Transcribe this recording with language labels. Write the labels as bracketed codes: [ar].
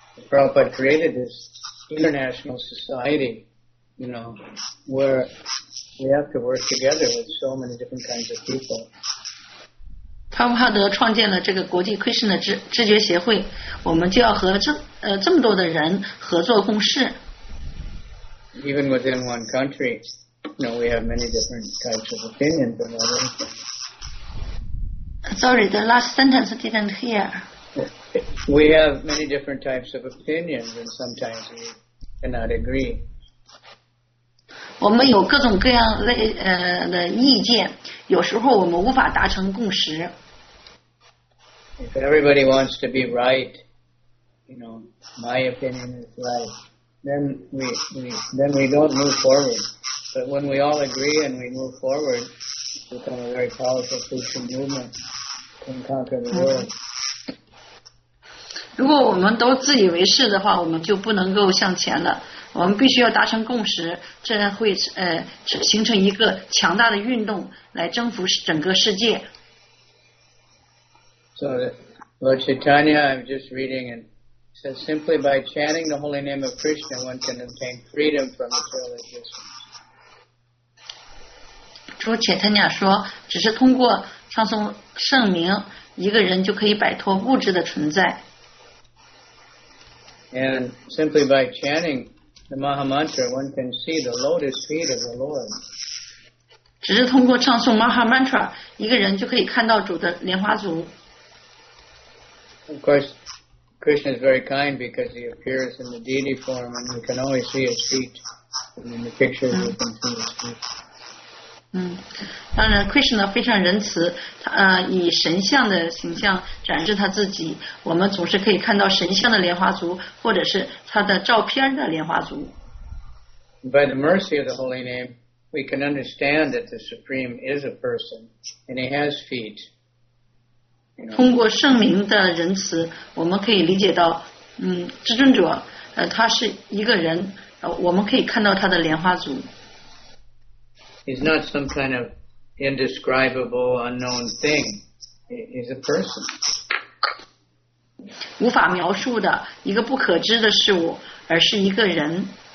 [en] Prabhupada created this international society, you know, where we have to work together with so many different kinds of people. [zh] 帕帕德创建了这个国际 Krishna 知觉协会，我们就要和这么多的人合作共事。 [en] Even within one country, you know, we have many different types of opinions about it. Sorry, the last sentence didn't hear. We have many different types of opinions, and sometimes we cannot agree. [zh] 我们有各种各样的意见，有时候我们无法达成共识。 [en] If everybody wants to be right, you know, my opinion is right, then we don't move forward. But when we all agree and we move forward, we become a very powerful Christian movement and conquer the world. [zh] 如果我们都自以为是的话，我们就不能够向前了。我们必须要达成共识，这样会形成一个强大的运动来征服整个世界。 [en] So, Lord Chaitanya, I'm just reading and says simply by chanting the holy name of Krishna, one can obtain freedom from material existence. [zh] 朱切特尼亚说，只是通过唱诵圣名，一个人就可以摆脱物质的存在。 [en] And simply by chanting the Maha Mantra, one can see the lotus feet of the Lord. [zh] 只是通过唱诵 Maha Mantra, 一个人就可以看到主的莲花足。 [en] Of course, Krishna is very kind because he appears in the deity form and we can always see his feet. And in the pictures we can see his feet. [zh] 嗯，当然 ，Krishna 非常仁慈，以神像的形象展示他自己。我们总是可以看到神像的莲花足，或者是他的照片的莲花足。 [en] By the mercy of the holy name, we can understand that the Supreme is a person and he has feet. You know? [zh] 通过圣灵的仁慈，我们可以理解到，至尊者，他是一个人，我们可以看到他的莲花足。 [en] He's not some kind of indescribable, unknown thing. He's a person. [zh] 无法描述的一个不可知的事物，而是一个人。